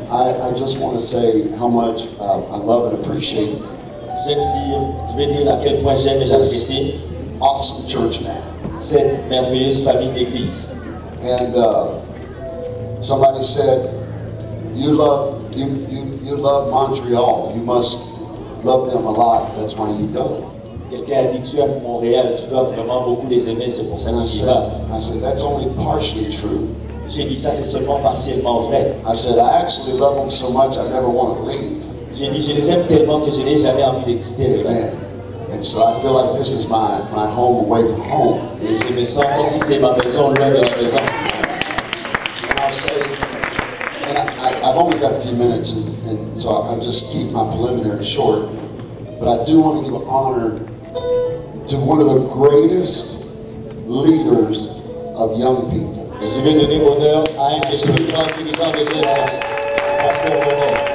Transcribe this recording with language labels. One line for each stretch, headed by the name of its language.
English: I just want to say how much I love and appreciate.
French: Je vais dire à quel point j'aime et j'apprécie.
English: Awesome church man.
French: Cette merveilleuse famille d'église.
English: And somebody said, you love Montreal. You must love them a lot. That's why you go.
French: Quelqu'un a dit, tu aimes Montréal, tu dois vraiment beaucoup les aimer, c'est pour ça que tu y vas.
English: I said, that's only partially true.
French: J'ai dit, ça c'est seulement partiellement vrai.
English: I said, I actually love them so much, I never want to leave.
French: J'ai dit, je les aime tellement que je n'ai jamais envie de quitter.
English: Amen. And so I feel like this is my home away from home.
French: Et je me sens comme si c'est ma maison loin de la maison.
English: I've only got a few minutes, and so I'll just keep my preliminary short. But I do want to give honor to one of the greatest leaders of young people.
French: Et je vais donner honneur à un des plus grands dirigeants de jeunesse, pasteur René.